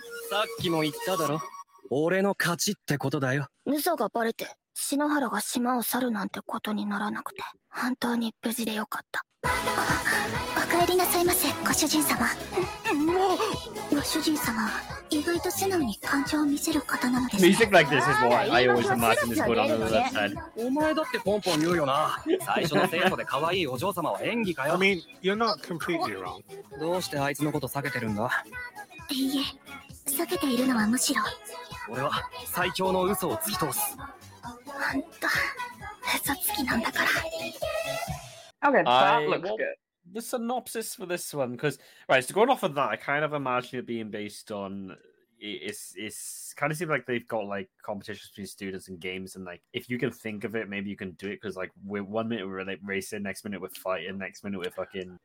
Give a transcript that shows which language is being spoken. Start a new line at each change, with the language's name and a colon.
Japanese: さっきも言っただろ、俺の勝ちってことだよ。嘘がバレて篠原が島を去るなんてことにならなくて本当に無事でよかった。お帰りなさいませご主人様。もうご主人様意外と素直に感情を見せる方なのです、ね。
English: Music like this is why I always imagine this put on the left side.
Japanese: お前だってポンポン言うよな。最初のデートで可愛いお嬢様は演技かよ。
English: I mean, you're not completely wrong.
Japanese: どうしてあいつのこと避けてるんだ。いいえ、避けているのはむしろ。俺は最強の嘘を突き通す。本当、嘘つきなんだから。
English: Okay, that looks good. The synopsis for this one, because right, so going off of that, I kind of imagine it being based on it's kind of seems like they've got like competitions between students and games, and like if you can think of it, maybe you can do it. Because like we're 1 minute we're like racing, next minute we're fighting, next minute we're fucking.